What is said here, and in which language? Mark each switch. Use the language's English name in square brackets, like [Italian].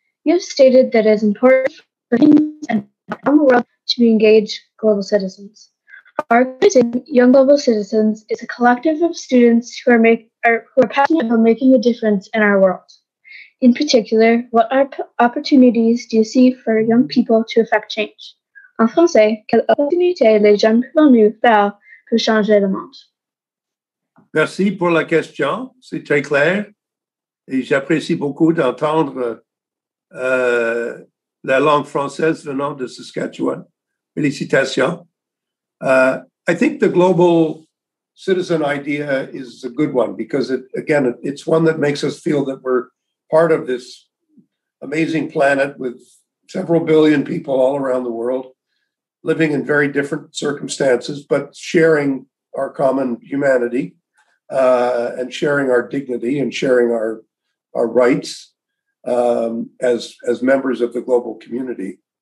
[English] You have stated that it is important for teens and around the world to be engaged global citizens. Our vision, Young Global Citizens, is a collective of students who are passionate about making a difference in our world. In particular, what opportunities do you see for young people to affect change? [French] En français, quelles opportunités les jeunes peuvent nous faire pour changer le monde? Merci pour la question, c'est très clair. Et j'apprécie beaucoup d'entendre la langue française venant de Saskatchewan. Félicitations. [English] I think the global citizen idea is a good one because, it's one that makes us feel that we're part of this amazing planet with several billion people all around the world living in very different circumstances, but sharing our common humanity and sharing our dignity and sharing our rights as members of the global community.